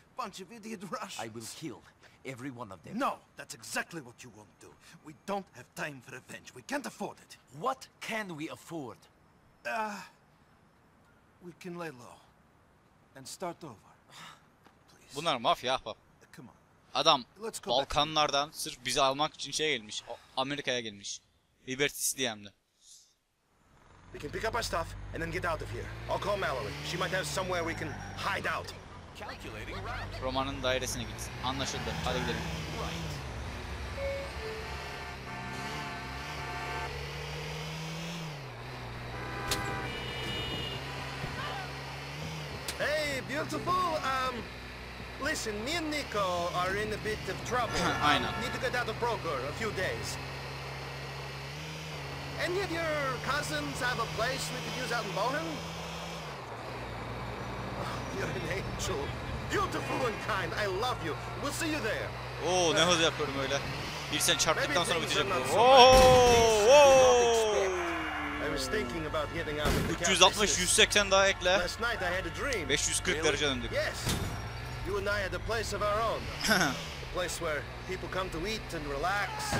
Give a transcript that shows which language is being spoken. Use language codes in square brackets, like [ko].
[en] Bunch of idiot Russians. I will kill every one of them. No, that's exactly what you won't do. We don't have time for revenge. We can't afford it. What can we afford? We can lay low and start over. Please. [tr] Bunlar mafya ahbap. Adam Balkanlardan sırf bizi almak için şey gelmiş. Amerika'ya gelmiş. Liberty CDM'de. [en] We can pick up our stuff and then get out of here. I'll call Mallory. She might have somewhere we can hide out. Calculating route. [tr] Roman'ın dairesine git. Anlaşıldı. Hadi gidelim. [en] Hey, beautiful. Listen, me and Nico are in a bit of trouble. I know. Need to get out of Broker a few days. Any of your cousins have a place we could use out in Bohem? Oh, you're an angel. Beautiful and kind. I love you. We'll see you there. [tr] Oh, ne hız yapıyorum öyle. Bir sene çarptıktan sonra bitecek bu. [en] I was thinking about getting out of the [tr] 360-180 daha ekle. [en] Last night I had a dream. [tr] 540 derece döndük. [en] Yes. You and I had a place of our own. A place where people come to eat and relax.